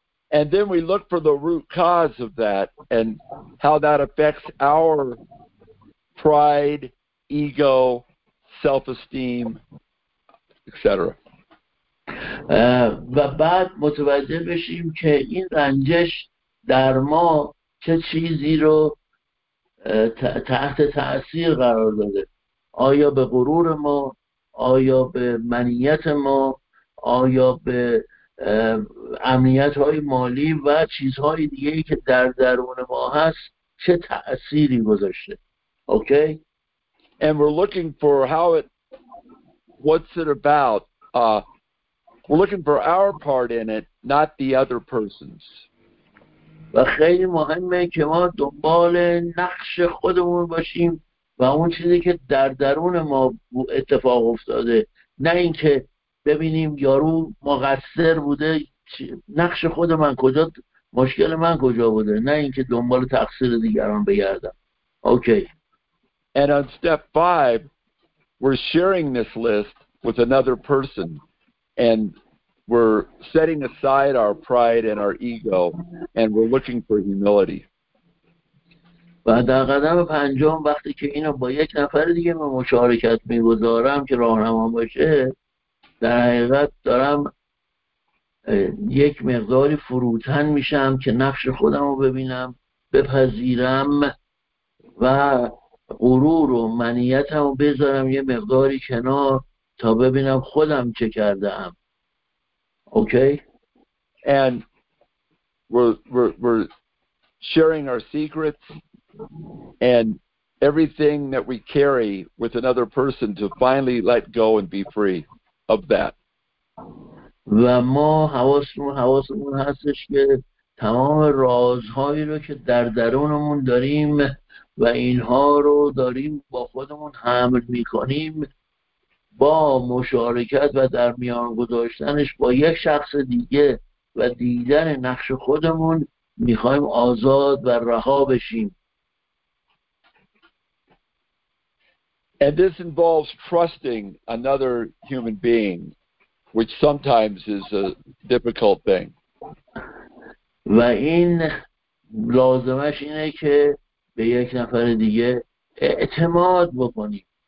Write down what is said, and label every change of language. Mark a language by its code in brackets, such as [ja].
[en] And then we look for the root cause of that and how that affects our pride, ego, self-esteem, etc. [fa] و بعد متوجه بشیم که این رنجش در ما چه چیزی رو تحت تأثیر قرار داده. آیا به غرور ما، آیا به منیت ما، آیا به امنیت‌های مالی و چیزهای دیگه‌ای که در درون ما هست چه تأثیری گذاشته. [en] Okay? And we're looking for what's it about. We're looking for our part in it, not the other person's. [fa] و خیلی مهمه که ما دنبال نقش خودمون باشیم و اون چیزی که در درون ما اتفاق افتاده، نه اینکه ببینیم یارو مقصر بوده، نقش خود من کجا، مشکل من کجا بوده، نه اینکه دنبال تقصیر دیگران بگردم. [en] Okay. And on step 5 we're sharing this list with another person and we're setting aside our pride and our ego and we're looking for humility. [fa] و در قدم پنجم وقتی که اینو با یک نفر دیگه من مشارکت میگذارم که راهنما باشه، در حقیقت دارم یک مقداری فروتن میشم که نقش خودم رو ببینم، بپذیرم و غرور و منیتم رو بذارم یه مقداری کنار تا ببینم خودم چه کردم. [en] Okay? And we're sharing our secrets and everything that we carry with another person to finally let go and be free of that. [fa] و ما حواسمون هستش که تمام رازهایی رو که در درونمون داریم و اینها رو داریم با خودمون حمل میکنیم، با مشارکت و در میان گذاشتنش با یک شخص دیگه و دیدن نقش خودمون میخوایم آزاد و رها بشیم. [en] And this involves trusting another human being, which sometimes is a difficult thing. [fa] و این لازمش اینه که به یک نفر دیگه اعتماد بکنیم.